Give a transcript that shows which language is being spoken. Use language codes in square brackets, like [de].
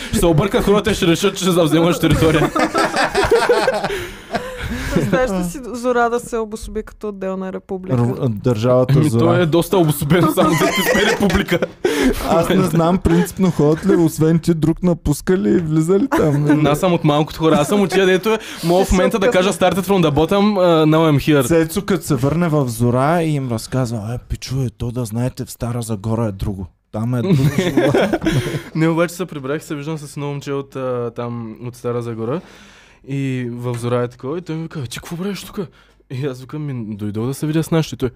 [bg] Се объркат хората и ще решат, че завземаш територия. Представяш ли си Зора да се обособи като отделна република? Държавата Зора. Той е доста обособен само за тези република. Аз не знам принципно ходят ли, освен че друг напуска ли и влиза ли там. Аз съм от малкото хора. Аз съм от тия, дето е. Мога в момента да кажа [en] started from the bottom, now I'm here. [bg] Цецо като се върне в Зора и им разказва, пичуе, то да знаете, в Стара Загора е друго. Там е друго. Не, обаче се прибрах и се виждам с едно момче от там, от Стара Загора. И в Зора е такова и той ми вика, ти какво правиш тук? И аз викам, ми дойдох да се видя с нашите.